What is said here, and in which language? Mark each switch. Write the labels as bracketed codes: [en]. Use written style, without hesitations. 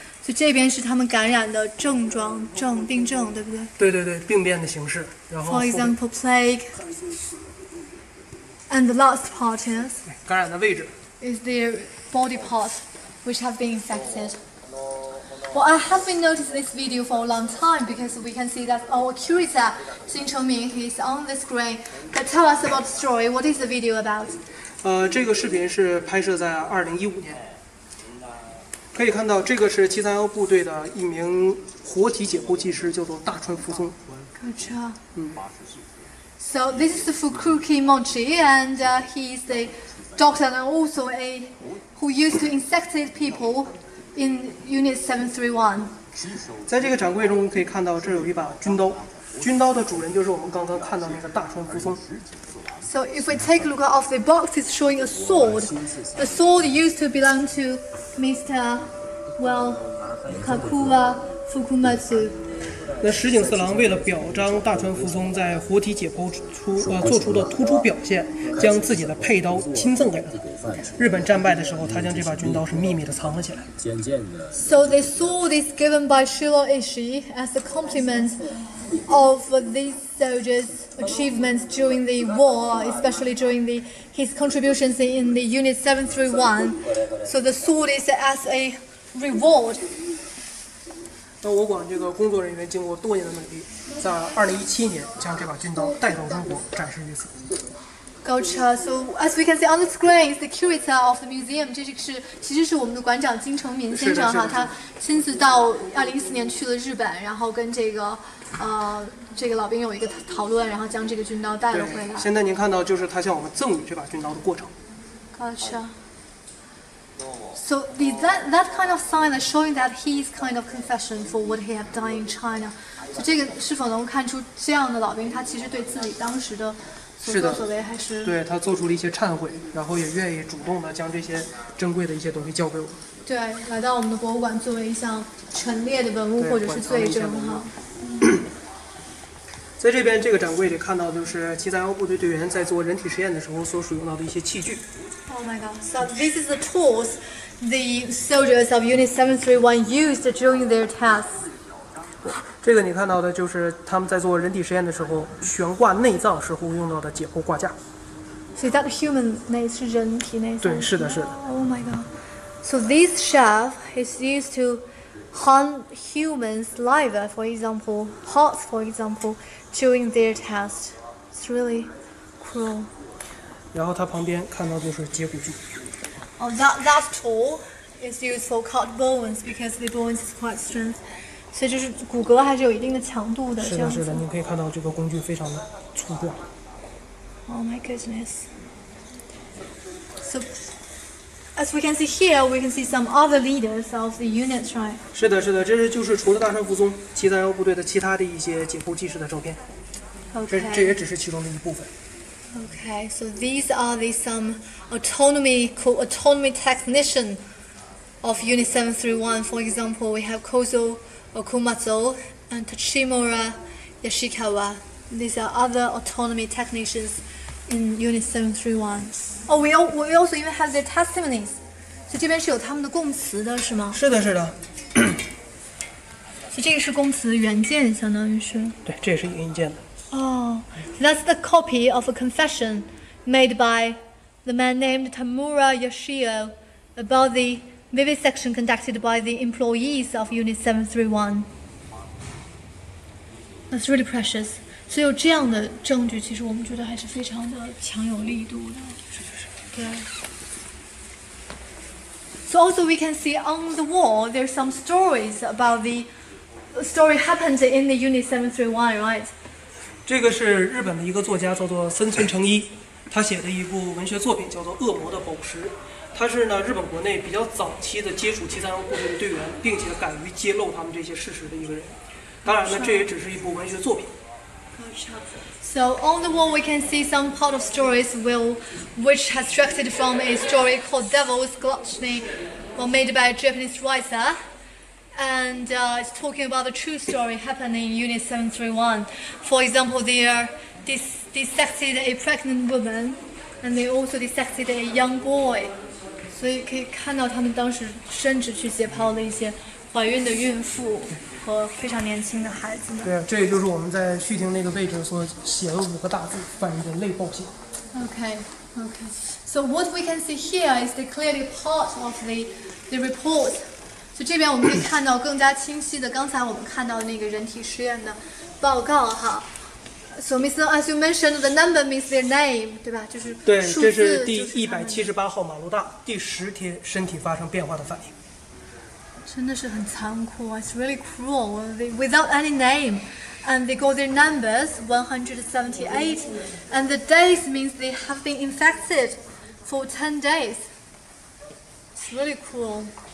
[zh] So, 这边是他们感染的症状、症病症，对不对？对对对，病变的形式。然后 [en] For example, plague. And the last part is? [zh] 感染的位置。 [en] Is the body part which have been infected. Well, I have been noticing this video for a long time because we can see that our curator, Xin Chengming, he's on the screen. But tell us about the story. What is the video about? [zh] 这个视频是拍摄在2015年。可以看到这个是731部队的一名活体解剖技师叫做大川福松。 [en] Gotcha. So this is Fukuki Mochi and he's a doctor and also a who used to infected people in Unit 731. [zh] 在这个展柜中可以看到这有一把军刀。军刀的主人就是我们刚刚看到那个大川福松。 [en] So if we take a look at the box, it's showing a sword. The sword used to belong to Mr. Well, Kakua Fukumatsu. [zh] 那石井四郎为了表彰大川福松在活体解剖出做出的突出表现，将自己的佩刀亲赠给了他。日本战败的时候，他将这把军刀是秘密的藏了起来。 [en] So the sword is given by Shiro Ishii as a compliment of these soldiers' achievements during the war, especially during his contributions in the Unit 731. So the sword is as a reward. [zh] 那我管这个工作人员经过多年的努力，在2017年将这把军刀带到中国展示于此。 [en] Gotcha. So as we can see on the screen, is the curator of the museum. [zh] 这是其实是我们的馆长金成民先生哈，他亲自到2014年去了日本，然后跟这个老兵有一个讨论，然后将这个军刀带了回来。现在您看到就是他向我们赠予这把军刀的过程。 [en] Gotcha. So that kind of sign is showing that he's kind of confession for what he have done in China. [zh] 所以这个是否能看出这样的老兵他其实对自己当时的是的，所为还是对他做出了一些忏悔，然后也愿意主动的将这些珍贵的一些东西交给我。对，来到我们的博物馆作为一项陈列的文物或者是罪证哈。在这边这个展柜里看到就是731部队队员在做人体实验的时候所使用到的一些器具。 [en] Oh my god, so this is the tools the soldiers of Unit 731 used during their tests. [zh] 这个你看到的就是他们在做人体实验的时候悬挂内脏时候用到的解剖挂架。 [en] So is that human [zh] 内是人体内脏？对，是的，是的。 [en] Oh my god. So this shaft is used to hunt humans' liver, for example, hearts, for example. During their test, it's really cruel. [zh] 然后他旁边看到就是截骨锯。 [en] Oh, that tool is used for cut bones because the bones is quite strong. [zh] 所以就是骨骼还是有一定的强度的。是的，是的，您可以看到这个工具非常的粗壮。 [en] Oh my goodness. So, as we can see here, we can see some other leaders of the unit, right? [zh] 是的，是的，这是就是除了大川福松731部队的其他的一些解剖技师的照片。 [en] Okay. [zh] 这也只是其中的一部分。 [en] Okay, so these are the some autonomy technician of Unit 731. For example, we have Kozo Okumazo and Tachimura Yashikawa. These are other autonomy technicians. In Unit 731. Oh, we also even have their testimonies. [zh] So, 这边是有他们的供词的，是吗？是的，是的。所以这个是供词原件，相当于是。对，这也是原件的。 [en] Oh, that's the copy of a confession made by the man named Tamura Yoshio about the vivisection conducted by the employees of Unit 731. That's really precious. [zh] 所以有这样的证据，其实我们觉得还是非常的强有力度的。是。 [en] 对。So also we can see on the wall there's some stories about the story happened in the Unit 731, right? [zh] 这个是日本的一个作家叫做森村诚一，他写的一部文学作品叫做《恶魔的宝石》，他是呢日本国内比较早期的接触731部队的队员，并且敢于揭露他们这些事实的一个人。当然呢，这也只是一部文学作品。 [en] So on the wall, we can see some part of stories which has extracted from a story called Devil's Gluttony, well, made by a Japanese writer. And it's talking about the true story happening in Unit 731. For example, they dissected a pregnant woman, and they also dissected a young boy. So you can see they were able to dissect some pregnant women. [zh] 和非常年轻的孩子们。对，这也就是我们在序厅那个位置所写的五个大字：犯人类暴行。 [en] Okay. So what we can see here is the clearly part of the report. [zh] 所以这边我们可以看到更加清晰的刚才我们看到的那个人体实验的报告哈。 [en] So Mr. As you mentioned, the number means their name, [zh] 对吧？就是数字。对，这是第178号马路大第十天身体发生变化的反应。真的是很残酷 ， [en] It's really cruel. Without any name, and they got their numbers 178, and the days means they have been infected for 10 days. It's really cruel.